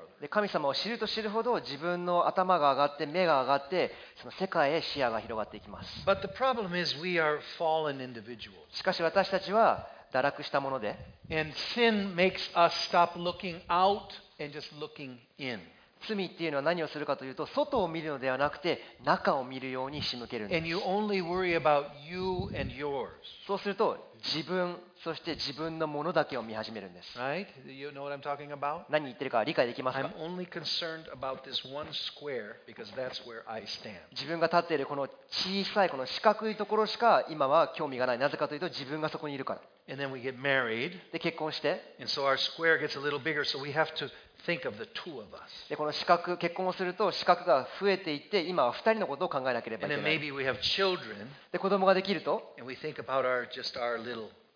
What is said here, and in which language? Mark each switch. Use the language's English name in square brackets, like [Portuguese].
[Japanese] 神様を知ると知るほど自分の頭が上がって目が上がってその世界へ視野が広がっていきます。 [English] But the problem is we are fallen individuals. [Japanese] しかし私たちは堕落したもので、 [English] And sin makes us stop looking out and just looking in. [Japanese] 罪っていうのは何をするかというと外を見るのではなくて中を見るように仕向けるんです。 [English] And you only worry about you and yours. [Japanese] そうすると自分そして自分のものだけを見始めるんです。 [English] Right? You know what I'm talking about? [Japanese] 何言ってるか理解できますか? [English] I'm only concerned about this one square because that's where I stand. [Japanese] 自分が立っているこの小さいこの四角いところしか今は興味がない。なぜかというと自分がそこにいるから。 [English] And then we get married. [Japanese] で結婚して。 [English] And so our square gets a little bigger, so we have to think of the two of us. [Japanese] でこの四角結婚をすると四角が増えていって今は二人のことを考えなければいけない。 [English] And then maybe we have children. [Japanese] で子供ができると。 [English] And we think about our just our little.